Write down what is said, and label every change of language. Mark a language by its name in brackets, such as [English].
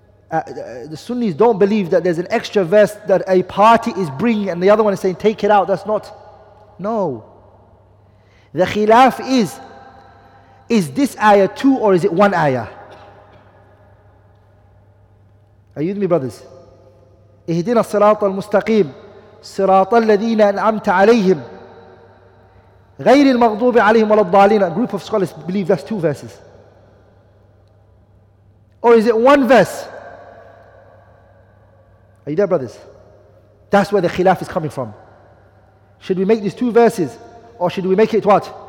[English] The Sunnis don't believe that there's an extra verse that a party is bringing and the other one is saying, take it out. That's not. No. The khilaf is this ayah two or is it one ayah? Are you with me, brothers? [Arabic] اهدنا الصراط المستقيم صراط الذين أنعمت عليهم غير المغضوب عليهم ولا الضالين. [English] A group of scholars believe that's two verses. Or is it one verse? Are you there, brothers? That's where the khilaf is coming from. Should we make these two verses? Or should we make it what?